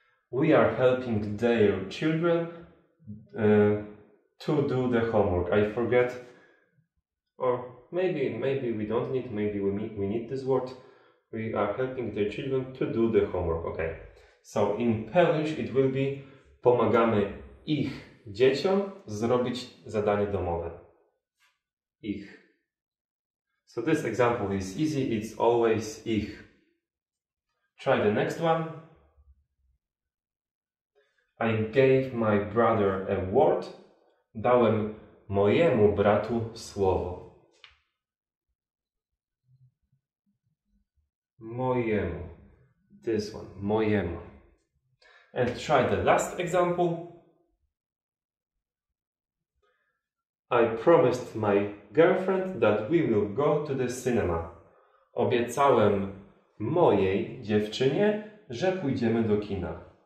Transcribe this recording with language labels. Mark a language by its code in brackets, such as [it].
[en] We are helping their children to do the homework. I forget, or maybe we don't need, maybe we need this word. We are helping the children to do the homework. Okay, so in Polish it will be [pl] pomagamy ich dzieciom zrobić zadanie domowe. Ich. [en] So this example is easy, it's always ich. Try the next one. I gave my brother a word. [pl] Dałem mojemu bratu słowo. [en] Mojemu. This one. Mojemu. And try the last example. I promised my girlfriend that we will go to the cinema. [pl] Obiecałem mojej dziewczynie, że pójdziemy do kina.